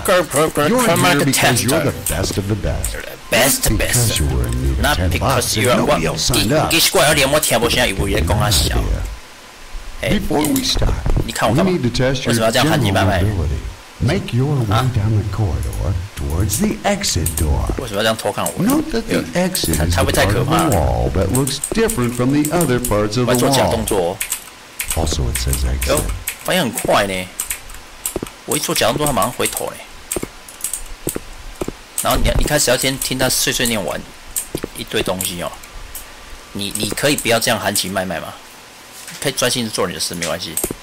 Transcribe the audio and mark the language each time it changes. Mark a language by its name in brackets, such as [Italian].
[English] You're here because you're the best of the best. Best. Not because you're new to ten bucks. [Chinese] 奇怪，连我听不下，有无人讲阿笑 [English] ？Before we start, [Chinese] 你看我干嘛？为什么要这样喊你拜拜？ [English] Make your way down the corridor towards the exit door. [Chinese] 为什么要这样偷看我？ [English] Note that the exit is part of the wall, but looks different from the other parts of the wall. [Chinese] 我做假动作。 [English] Also, it says exit. 哟， [Chinese] 反应很快呢。我一做假动作，他马上回头嘞。然后你一开始要先听他碎碎念完一堆东西哦。你可以不要这样含情脉脉吗？可以专心做你的事，没关系。